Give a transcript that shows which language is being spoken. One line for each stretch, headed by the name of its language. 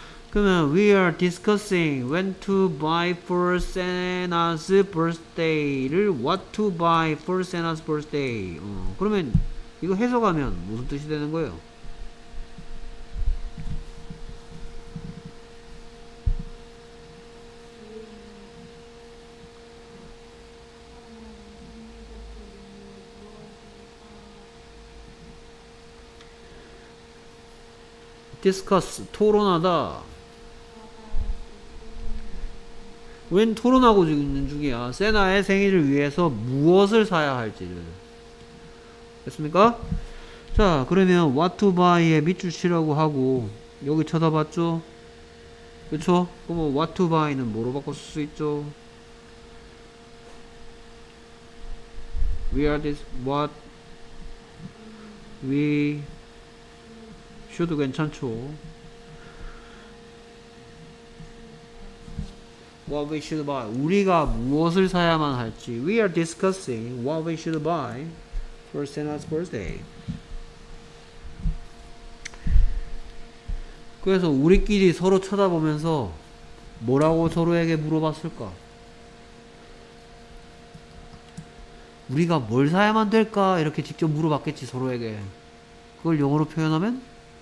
Korean: 그러면
English: we are discussing when to buy for Sena's birthday
Korean: 를
English: what to buy for Sena's birthday.
Korean: 그러면 이거 해석하면 무슨 뜻이 되는 거예요? 디스커스, 토론하다. When 토론하고 있는 중이야. 세나의 생일을 위해서 무엇을 사야 할지를. 됐습니까? 자, 그러면
English: what to buy
Korean: 에 밑줄 치라고 하고 여기 쳐다봤죠? 그쵸? 그럼
English: what to buy
Korean: 는 뭐로 바꿀 수 있죠?
English: We are this, what we should
Korean: 괜찮죠?
English: What we should buy.
Korean: 우리가 무엇을 사야만 할지.
English: We are discussing what we should buy for Sena's birthday.
Korean: 그래서 우리끼리 서로 쳐다보면서 뭐라고 서로에게 물어봤을까? 우리가 뭘 사야만 될까? 이렇게 직접 물어봤겠지, 서로에게. 그걸 영어로 표현하면?